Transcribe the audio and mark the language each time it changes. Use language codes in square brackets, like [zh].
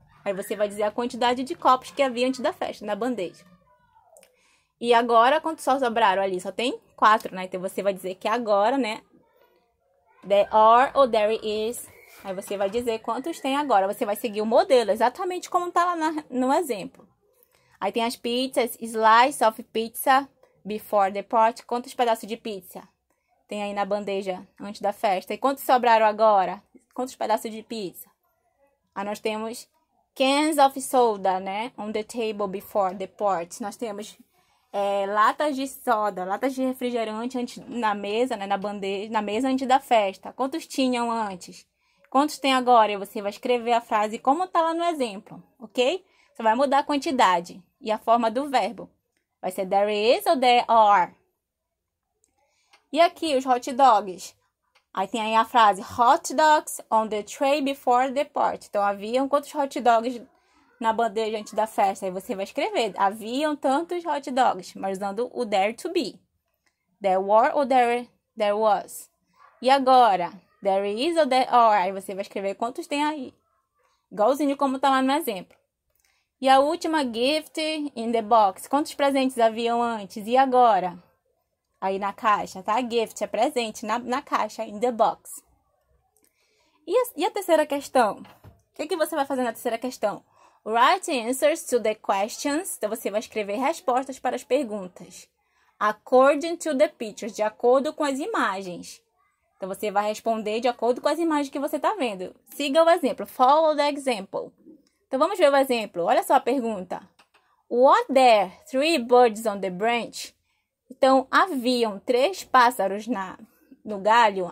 [pt] Aí você vai dizer a quantidade de copos que havia antes da festa, na bandeja. E agora, quantos só sobraram ali? Só tem 4, né? Então, você vai dizer que agora, né? [en] There are [pt] ou [en] there is. [pt] Aí você vai dizer quantos tem agora. Você vai seguir o modelo, exatamente como tá lá no exemplo. Aí tem as pizzas, [en] slice of pizza before the party. [pt] Quantos pedaços de pizza tem aí na bandeja antes da festa? E quantos sobraram agora? Quantos pedaços de pizza? Aí nós temos [en] cans of soda, [pt] né? [en] On the table before the party. [pt] Nós temos latas de soda, latas de refrigerante antes, na mesa, né? Na bandeja, na mesa antes da festa. Quantos tinham antes? Quantos tem agora? E você vai escrever a frase como tá lá no exemplo, ok? Você vai mudar a quantidade e a forma do verbo. Vai ser [en] there is [pt] ou [en] there are. [pt] E aqui, os hot dogs. Aí tem aí a frase, [en] hot dogs on the tray before the party. [pt] Então, haviam quantos hot dogs na bandeja antes da festa? Aí você vai escrever, haviam tantos hot dogs, mas usando o [en] there to be. There were ou there was. [pt] E agora, [en] there is ou there are. [pt] Aí você vai escrever quantos tem aí. Igualzinho como tá lá no exemplo. E a última, [en] gift in the box. [pt] Quantos presentes haviam antes e agora? Aí na caixa, tá? Gift é presente na caixa, [en] in the box. [pt] E a terceira questão? O que você vai fazer na terceira questão? [en] Write answers to the questions. [pt] Então, você vai escrever respostas para as perguntas. [en] According to the pictures, [pt] de acordo com as imagens. Então, você vai responder de acordo com as imagens que você está vendo. Siga o exemplo. [en] Follow the example. [pt] Então, vamos ver o exemplo. Olha só a pergunta. [en] What there? Three birds on the branch. [pt] Então, haviam três pássaros no galho?